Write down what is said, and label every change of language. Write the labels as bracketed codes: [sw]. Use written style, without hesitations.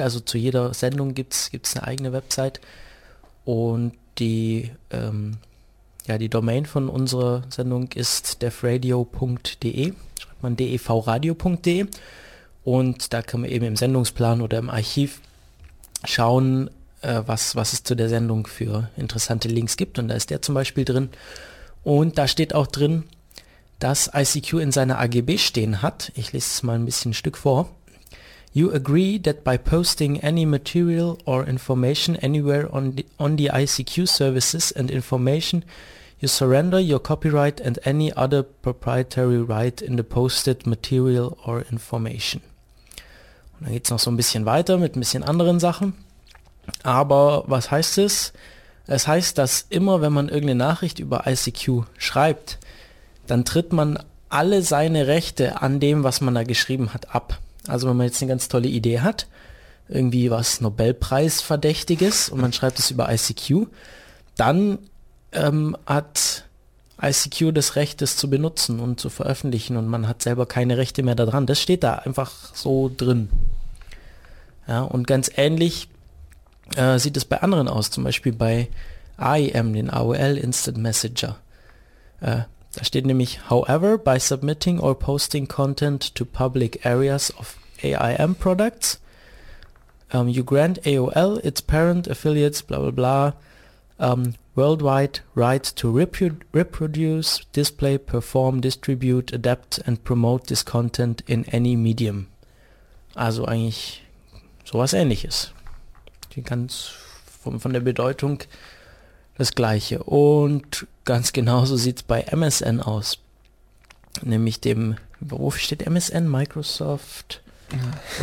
[de] Also zu jeder Sendung gibt's eine eigene Website. Und die Domain von unserer Sendung ist devradio.de, schreibt man devradio.de und da kann man eben im Sendungsplan oder im Archiv schauen, was es zu der Sendung für interessante Links gibt und da ist der zum Beispiel drin und da steht auch drin, dass ICQ in seiner AGB stehen hat, ich lese es mal ein bisschen ein Stück vor. [en] You agree that by posting any material or information anywhere on the ICQ services and information, you surrender your copyright and any other proprietary right in the posted material or information. [de] Und dann geht's noch so ein bisschen weiter mit ein bisschen anderen Sachen. Aber was heißt es? Es heißt, dass immer wenn man irgendeine Nachricht über ICQ schreibt, dann tritt man alle seine Rechte an dem, was man da geschrieben hat, ab. Also wenn man jetzt eine ganz tolle Idee hat, irgendwie was Nobelpreisverdächtiges und man schreibt es über ICQ, dann hat ICQ das Recht, das zu benutzen und zu veröffentlichen und man hat selber keine Rechte mehr daran. Das steht da einfach so drin. Ja, und ganz ähnlich sieht es bei anderen aus, zum Beispiel bei IM, den AOL Instant Messenger. Da steht nämlich, [en] however, by submitting or posting content to public areas of AIM products, You grant AOL, its parent, affiliates, bla bla bla, worldwide right to reproduce, display, perform, distribute, adapt and promote this content in any medium. [de] Also eigentlich sowas Ähnliches. Ganz von der Bedeutung das Gleiche. Und ganz genauso sieht es bei MSN aus. Nämlich dem, wofür steht MSN? Microsoft? Ja.